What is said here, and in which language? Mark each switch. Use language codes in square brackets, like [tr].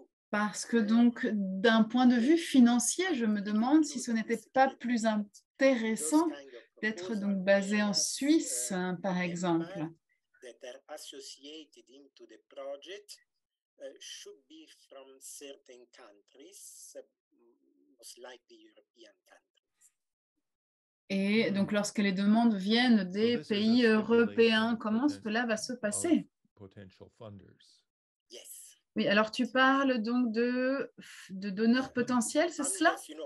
[fr] Parce que donc, d'un point de vue financier, je me demande si ce n'était pas plus intéressant d'être donc basé en Suisse, par exemple. [en] That are associated into the project should be from certain countries, most likely European countries. [fr] Et donc, lorsque les demandes viennent des pays européens, comment cela va se passer? [en] Yes. [fr] Oui, alors tu parles donc de donneurs potentiels, c'est cela?